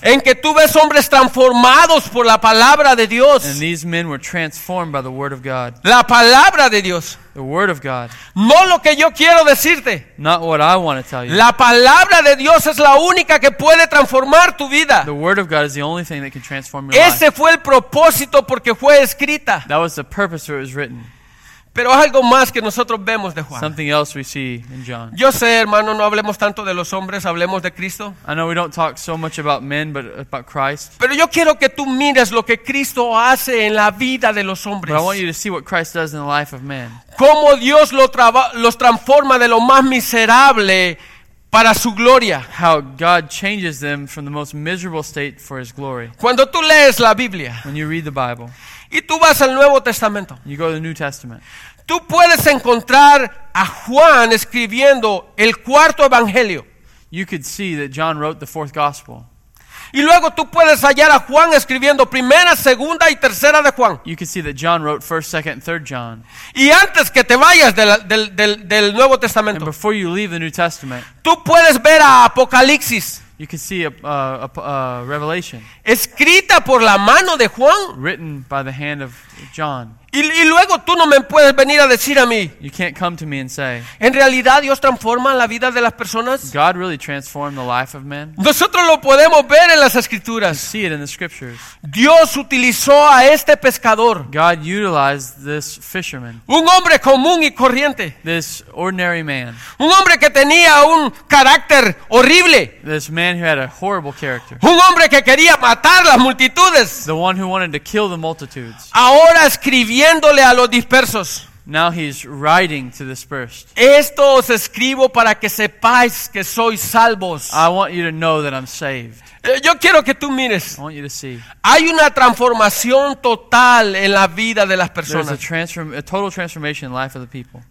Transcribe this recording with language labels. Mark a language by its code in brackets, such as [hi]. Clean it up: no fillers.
[es] En que tú ves hombres transformados por la palabra de Dios. [en] And these men were transformed by the word of God. [es] La palabra de Dios. [en] The word of God. [es] No lo que yo quiero decirte. [en] Not what I want to tell you. [es] La palabra de Dios es la única que puede transformar tu vida. [en] The word of God is the only thing that can transform your [es] Ese [en] life. [es] Ese fue el propósito porque fue escrita. [en] That was the purpose for it was written. [es] Pero algo más que nosotros vemos de Juan. [en] Something else we see in John. [es] Yo sé, hermano, no hablemos tanto de los hombres, hablemos de Cristo. [en] I know we don't talk so much about men, but about Christ. [es] Pero yo quiero que tú mires lo que Cristo hace en la vida de los hombres. [en] But I want you to see what Christ does in the life of men. [es] Cómo Dios los transforma de lo más miserable para su gloria. [en] How God changes them from the most miserable state for his glory. [es] Cuando tú lees la Biblia. [en] When you read the Bible. [es] Y tú vas al Nuevo Testamento. [en] You go to the New Testament. [es] Tú puedes encontrar a Juan escribiendo el cuarto evangelio. [en] You could see that John wrote the fourth gospel. [es] Y luego tú puedes hallar a Juan escribiendo primera, segunda y tercera de Juan. [en] You could see that John wrote first, second, and third John. [es] Y antes que te vayas del Nuevo Testamento. [en] And before you leave the New Testament. [es] Tú puedes ver a Apocalipsis. [en] You can see a revelation. [es] Escrita por la mano de Juan. [en] Written by the hand of John. [es] Y luego tú no me puedes venir a decir a mí. [en] You can't come to me and say. [es] En realidad Dios transforma la vida de las personas. [en] God really transformed the life of men. [es] Nosotros lo podemos ver en las escrituras. [en] You see it in the scriptures. [es] Dios utilizó a este pescador. [en] God utilized this fisherman. [es] Un hombre común y corriente. [en] This ordinary man. [es] Un hombre que tenía un carácter horrible. [en] This man who had a horrible character. [es] Un hombre que quería matar las multitudes. [en] The one who wanted to kill the multitudes. [es] Ahora escribiéndole a los dispersos. [en] Now he's writing to the dispersed. [es] Esto os escribo para que sepáis que sois salvos. [en] I want you to know that I'm saved. [es] Yo quiero que tú mires. [en] I want you to see. [es] Hay una transformación total en la vida de las personas. [en] There's a total transformation in the life of the people.